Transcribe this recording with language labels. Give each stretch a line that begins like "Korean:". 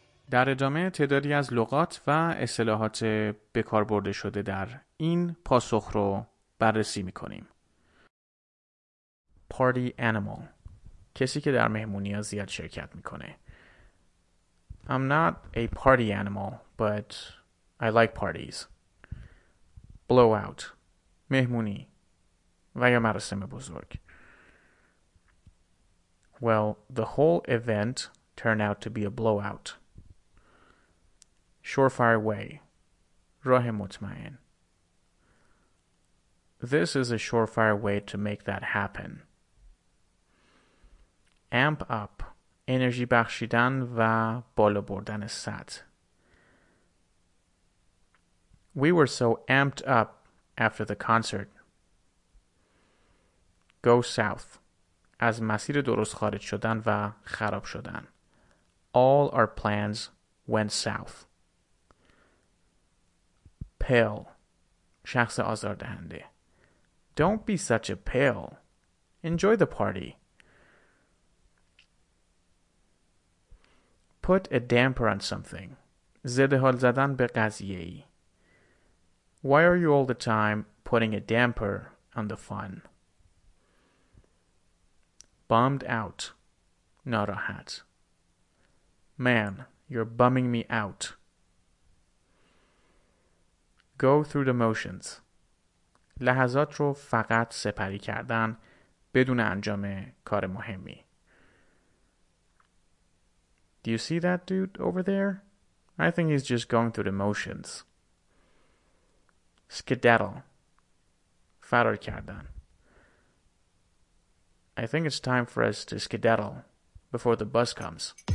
Persian: در ادامه تعدادی از لغات و اصطلاحات به کار برده شده در این پاسخ رو بررسی می‌کنیم.
English: Party animal.
Persian: کسی که در مهمونی ها زیاد شرکت می‌کنه.
English: I'm not a party animal, but I like parties.
Persian: Blowout. مهمونی و یا مراسم بزرگ.
English: Well, the whole event turned out to be a blowout.
Persian: Surefire way. راه مطمئن.
English: This is a surefire way to make that happen. Amp up.
Persian: انرژی بخشیدن و بالا بردن سطح.
English: We were so amped up after the concert. Go south.
Persian: از مسیر درست خارج شدن و خراب شدن.
English: All our plans went south. Pill.
Persian: شخص آزاردهنده.
English: Don't be such a pill. Enjoy the party. Put a damper on something.
Persian: زده‌حال زدن به قضیه‌ای.
English: Why are you all the time putting a damper on the fun? Bummed out.
Persian: ناراحت.
English: Man, you're bumming me out. Go through the motions.
Persian: لحظات رو فقط سپری کردن بدون انجام کار مهمی.
English: Do you see that dude over there? I think he's just going through the motions. Skedaddle. Fatal Cardan. I think it's time for us to skedaddle before the bus comes.